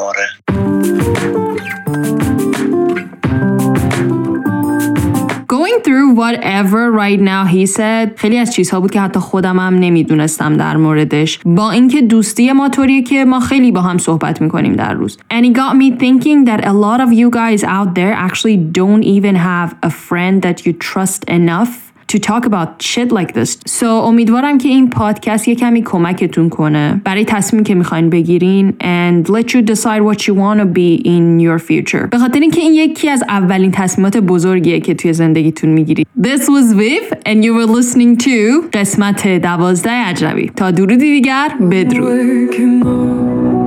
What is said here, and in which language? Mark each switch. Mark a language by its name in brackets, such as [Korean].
[Persian] آره [English] through whatever right now he said [Persian] خیلی از چیزها بود که حتی خودم هم نمیدونستم در موردش، با اینکه دوستی ما طوریه که ما خیلی با هم صحبت میکنیم در روز. [English] And it got me thinking that a lot of you guys out there actually don't even have a friend that you trust enough to talk about shit like this. [Persian] So امیدوارم که این پادکست یه کمی کمکتون کنه برای تصمیمی که میخواین بگیرین [English] and let you decide what you want to be in your future. [Persian] به خاطر اینکه این یکی از اولین تصمیمات بزرگیه که توی زندگیتون میگیرید. [English] This was Viv and you were listening to [Persian] قسمت 12 اجنبی. تا درودی دیگر، بدرود.